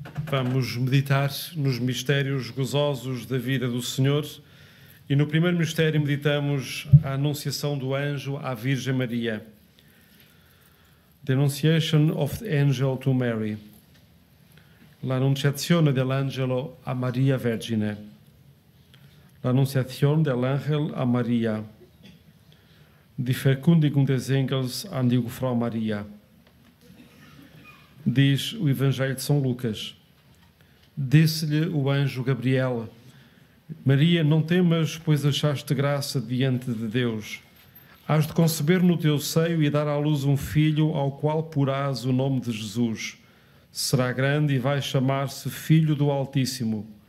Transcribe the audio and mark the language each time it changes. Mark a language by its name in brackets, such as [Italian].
[Portuguese] Vamos meditar nos mistérios gozosos da vida do Senhor e no primeiro mistério meditamos a anunciação do anjo à Virgem Maria. [English] The Annunciation of the Angel to Mary. [Italian] L'Annunciazione dell'Angelo a Maria Vergine. L'Annunciazione dell'Angel a Maria. [German] Die Verkündigung des Engels an die Frau Maria. [Portuguese] Diz o Evangelho de São Lucas. Disse-lhe o anjo Gabriel: Maria, não temas, pois achaste graça diante de Deus. Hás de conceber no teu seio e dar à luz um filho, ao qual porás o nome de Jesus. Será grande e vai chamar-se Filho do Altíssimo.